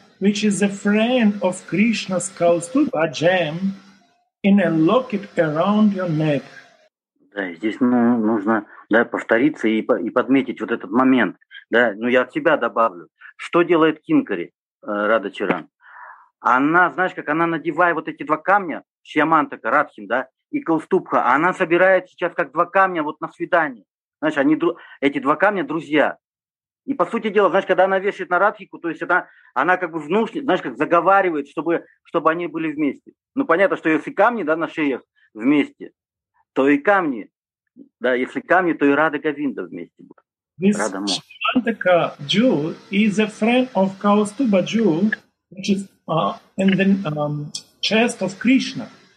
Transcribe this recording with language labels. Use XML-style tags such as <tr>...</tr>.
<en>which is a friend of Krishna's Kaustubha gem, in a locket around your neck.</en> <ru>Да, здесь ну, нужно да, повториться и подметить вот этот момент. Да, ну я от себя добавлю. Что делает Кинкари, Рада Чаран? Она, знаешь, как она надевает вот эти два камня, Шьямантака, Радхин, да, и Каустубха, она собирает сейчас как два камня вот на свидание. Знаешь, они, эти два камня – друзья. И по сути дела, знаешь, когда она вешает на Радхику, то есть она как бы внушит, знаешь, как заговаривает, чтобы они были вместе. Ну понятно, что если камни, да, на шеях вместе, то и камни, да, если камни, то и Рада Говинда вместе будут.</ru> <en>This Shivantaka jewel is a friend of Kaustubha jewel, which is in the chest of Krishna.</en>